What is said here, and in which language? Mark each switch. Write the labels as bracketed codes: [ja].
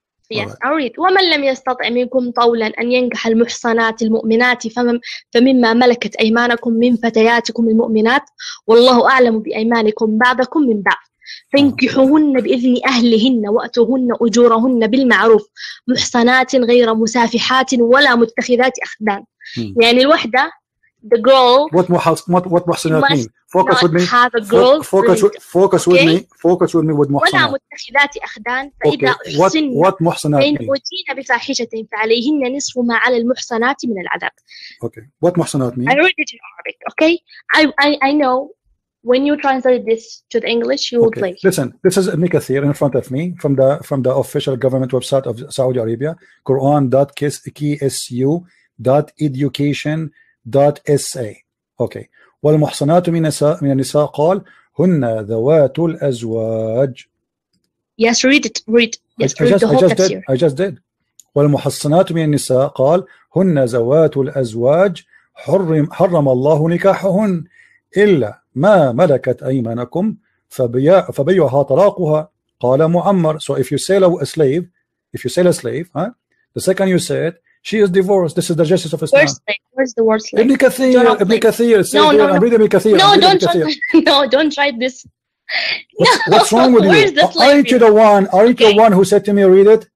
[en] Yes, I read. [ar] وَمَنْ لَمْ يَسْتَطِعْ مِنْكُمْ طَوْلًا أَنْ يَنْكَحَ الْمُحْصَنَاتِ الْمُؤْمِنَاتِ فَمِمَّا مَلَكَتْ أَيْمَانَكُمْ مِنْ فَتَيَاتِكُمْ الْمُؤْمِنَاتِ وَاللَّهُ أَعْلَمُ بِأَيْمَانِكُمْ بَعْضَكُمْ مِنْ بَعْضٍ فانكحوهن بإذن أهلهن وأتوهن أجورهن بالمعروف محصنات غير مسافحات ولا متخذات أخدان. يعني الوحدة [en] the girl what محصنات mean focus with me have a girl focus with me focus with me with محصنات [ar] ولا متخذات أخدان فإذا [en] okay. what محصنات mean [ar] وجين بفاحشة فعليهن نصف ما على المحصنات من العذاب. [en] Okay, what محصنات mean I read it in Arabic. Okay, I know. When you translate this to the English, you will play. Listen, this is Ibn Kathir in front of me from the official government website of Saudi Arabia, Quran.ksu.education.sa. Okay. [ar] والمحصنات من النساء قال هن ذوات الأزواج. [en] Yes, read it. Read. I just did. [ar] والمحصنات من النساء قال هن ذوات الأزواج حرم الله نكاحهن إلا ما ملكت أيمانكم فبيعها طلاقها قال معمر. [en] So if you sell a slave, the second you say it, she is divorced. This is the justice of Islam. Where's the word slave? Ibn Kathir. No, I'm reading Ibn Kathir. No, don't try this. What's wrong with you? Where's the slave? Aren't you the one who said to me, read it?